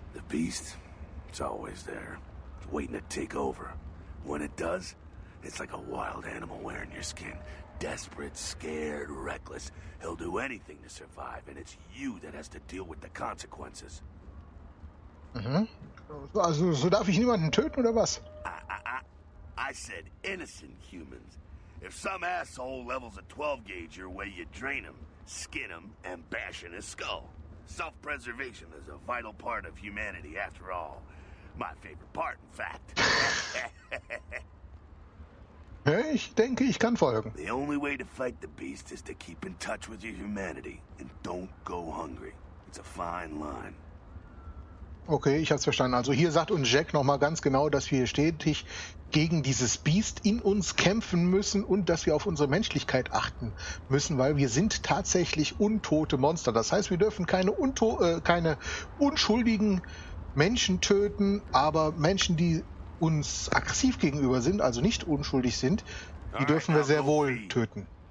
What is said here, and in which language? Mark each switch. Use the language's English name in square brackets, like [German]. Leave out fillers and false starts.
[English] The beast. It's always there. It's waiting to take over. When it does, it's like a wild animal wearing your skin. desperate, scared, reckless. He'll do anything to survive, and it's you that has to deal with the consequences. Mhm. [German] Also, so darf ich niemanden töten, oder was? [English] I said innocent humans. If some asshole levels a 12-gauge your way, you drain him, skin him, and bash in his skull. Self-preservation is a vital part of humanity, after all. My favorite part, in fact. [German] Ich denke, ich kann folgen. [English] The only way to fight the beast is to keep in touch with your humanity and don't go hungry. It's a fine line. [German] Okay, ich hab's verstanden. Also hier sagt uns Jack nochmal ganz genau, dass wir stetig gegen dieses Biest in uns kämpfen müssen und dass wir auf unsere Menschlichkeit achten müssen, weil wir sind tatsächlich untote Monster. Das heißt, wir dürfen keine unschuldigen Menschen töten, aber Menschen, die uns aggressiv gegenüber sind, also nicht unschuldig sind, die dürfen wir sehr wohl töten.